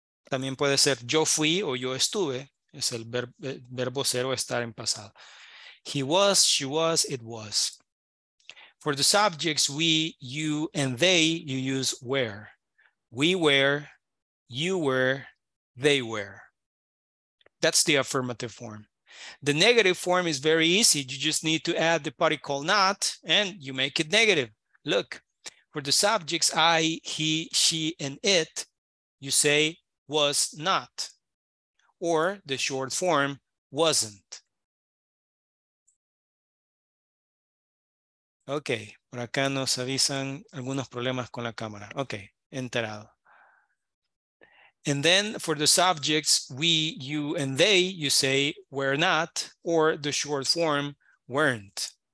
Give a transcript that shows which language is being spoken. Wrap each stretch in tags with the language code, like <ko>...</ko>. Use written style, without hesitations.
<es>También puede ser yo fui o yo estuve. Es el verbo ser o estar en pasado.</es> <en>He was, she was, it was. For the subjects we, you, and they, you use were. We were, you were, they were. That's the affirmative form. The negative form is very easy. You just need to add the particle not and you make it negative. Look, for the subjects I, he, she, and it, you say, was not, or the short form, wasn't.</en> <es>Okay, por acá nos avisan algunos problemas con la cámara. Okay, enterado.</es> <en>And then for the subjects, we, you, and they, you say, were not, or the short form, weren't.</en>